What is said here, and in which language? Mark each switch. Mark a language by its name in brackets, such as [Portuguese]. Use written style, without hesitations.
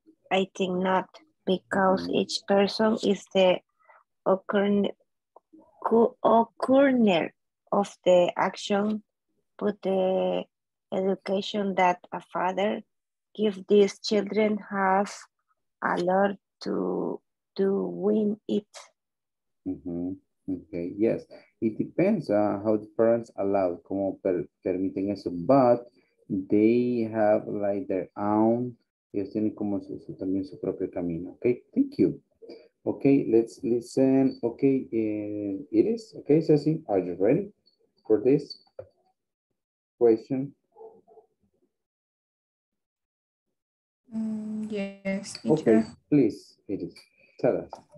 [English] I think not, because each person is the occurner of the action, but the education that a father gives these children has a lot to win it. Mm-hmm. Okay, yes. It depends on how the parents allow, [Spanish] como permiten eso, [English] but they have like their own [Spanish] Ellos tienen como su, también su propio camino. [English] Okay, thank you. Okay, let's listen. Okay, it is. Okay, Ceci, are you ready for this question? Yes. Okay, please, it is. Tell us.